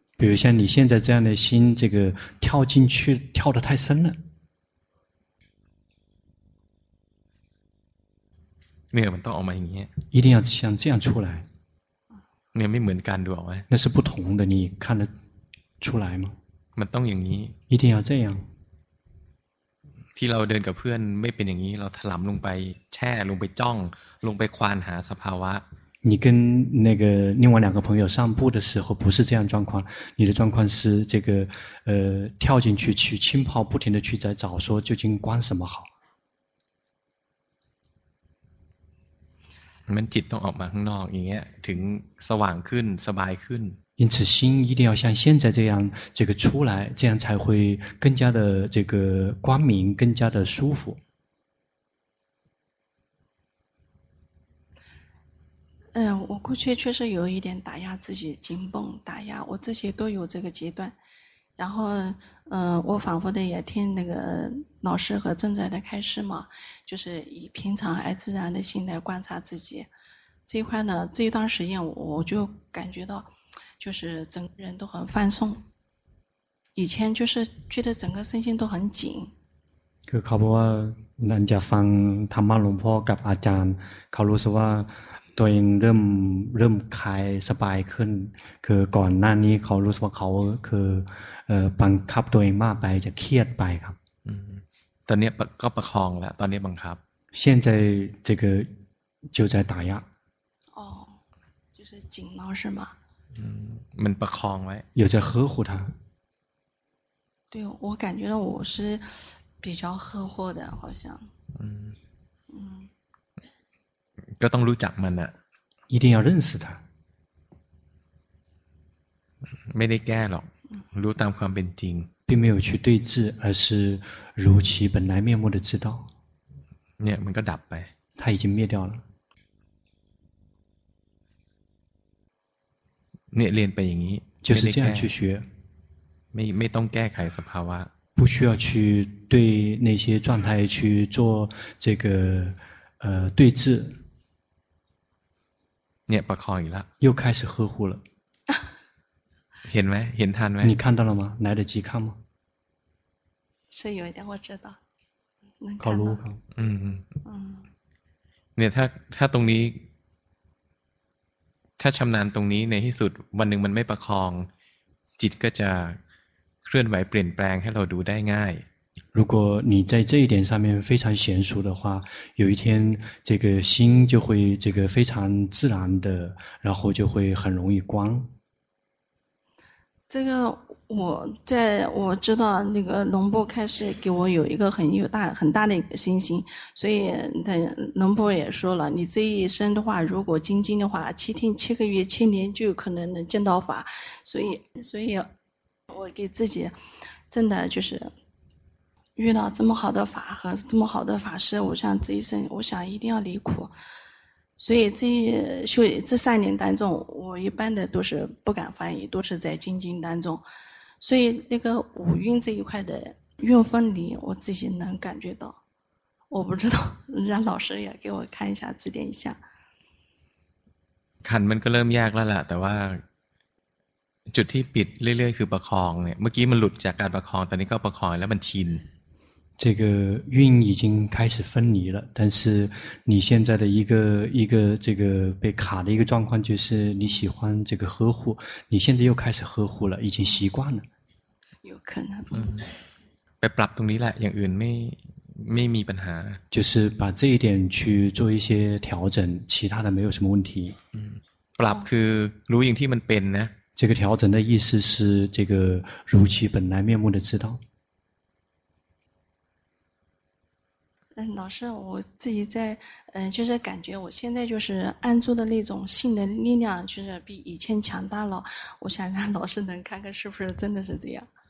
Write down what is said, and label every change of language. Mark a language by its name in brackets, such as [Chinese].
[Chinese] 比如像你现在这样的心这个跳进去跳得太深了没有到我们应该一定要像这样出来你没门干的哦那是不同的你看得出来吗 [Thai] มันต้องอย่างนี้ [Chinese] 一定要这样 [Thai] ที่เราเดินกับเพื่อนไม่เป็นอย่างนี้เราถลำลงไปแช่ลงไปจ้องลงไปควานหาสภาวะ [Chinese] 你跟那个另外两个朋友散步的时候不是这样状况你的状况是这个跳进去去浸泡不停的去在找说究竟观什么好 [Thai] มันจิตต้องออกมาข้างนอกอย่างเงี้ยถึงสว่างขึ้นสบายขึ้น [Chinese] 因此心一定要像现在这样这个出来这样才会更加的这个光明更加的舒服我过去确实有一点打压自己紧绷打压我这些都有这个阶段然后我反复的也听那个老师和正在的开示嘛就是以平常而自然的心来观察自己这一块呢这一段时间我就感觉到就是整个人都很放松以前就是觉得整个身心都很紧 [Thai] คือเขาบอกว่านั่นจะฟังธรรมะหลวงพ่อกับอาจารย์เขารู้สึกว่าตัวเองเริ่มคลายสบายขึ้นคือก่อนหน้านี้เขารู้สึกว่าเขาคือบังคับตัวเองมากไปจะเครียดไปครับ ตอนนี้ก็ประคองแล้วตอนนี้บังคับ [Chinese] 现在这个就在打压哦就是紧了是吗 [Thai] มันประคองไว้ [Chinese] 有在呵护他对我感觉到我是比较呵护的好像 [Thai] ก็ต้องรู้จักมันอ่ะ [Chinese] 一定要认识它 [Thai] ไม่ได้แก้หรอกรู้ตามความเป็นจริง [Chinese] 并没有去对治而是如其本来面目的知道 [Thai] เนี่ยมันก็ดับไป [Chinese] 它已经灭掉了 [Thai] เนี่ยเรียนไปอย่างนี้ [Chinese] 就是这样去学 [Thai] ไม่ต้องแก้ไขสภาวะ [Chinese] 不需要去对那些状态去做这个对治 [Thai] เนี่ยประคองอีกแล้ ว [Chinese] 又开始呵护了 [Thai] เห็นไหมเห็นทันไหม [Chinese] 你看到了吗来得及看吗是有一点我知道 [Thai] เขารู้ครับ เนี่ยถ้าตรงนี้ถ้าชำนาญตรงนี้ในที่สุดวันหนึ่งมันไม่ประคองจิตก็จะเคลื่อนไหวเปลี่ยนแปลงให้เราดูได้ง่าย [Chinese] 如果你在这一点上面非常娴熟的话有一天这个心就会这个非常自然的然后就会很容易光这个我在我知道那个龙波开始给我有一个很大的一个信心所以龙波也说了你这一生的话如果精进的话7天7个月千年就有可能能见到法所以我给自己真的就是遇到这么好的法和这么好的法师我想这一生我想一定要离苦所以这三年当中我一般的都是不敢翻译都是在精进当中所以那个五蕴这一块的运分离我自己能感觉到我不知道让老师也给我看一下指点一下 [Thai] 看มันก็เริ่มยากแล้วล่ะแต่ว่าจุดที่ปิดเรื่อยๆคือประคองเนี่ยเมื่อกี้มันหลุดจากการประคองตอนนี้ก็ประคองแล้วมันชิน [Chinese] 这个运已经开始分离了但是你现在的一个这个被卡的一个状况就是你喜欢这个呵护你现在又开始呵护了已经习惯了有可能 [Thai] ไปปรับตรงนี้แหละอย่างอื่นไม่มีปัญหา [Chinese] 就是把这一点去做一些调整其他的没有什么问题 [Thai] ปรับคือรู้อย่างที่มันเป็นนะ [Chinese] 这个调整的意思是这个如其本来面目的知道。嗯，老师，我自己在就是感觉我现在就是安住的那种性的力量就是比以前强大了，我想让老师能看看是不是真的是这样。